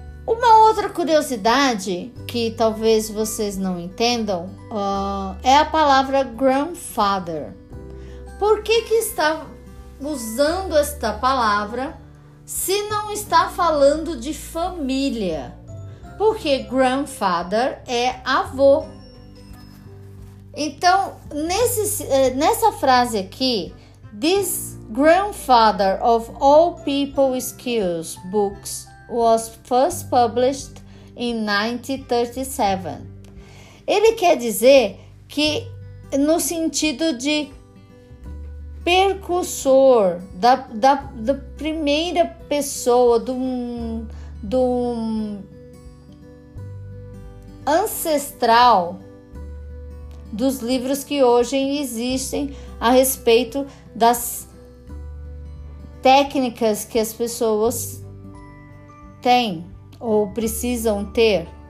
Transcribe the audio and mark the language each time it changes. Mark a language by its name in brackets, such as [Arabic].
[Portuguese] Uma outra curiosidade que talvez vocês não entendam é a palavra grandfather. Por que que está usando esta palavra se não está falando de família? Porque grandfather é avô. [English] Então, nessa frase aqui, this grandfather of all people skills books was first published in 1937. [Portuguese] Ele quer dizer que no sentido de precursor da primeira pessoa, de um ancestral dos livros que hoje existem a respeito das técnicas que as pessoas têm ou precisam ter.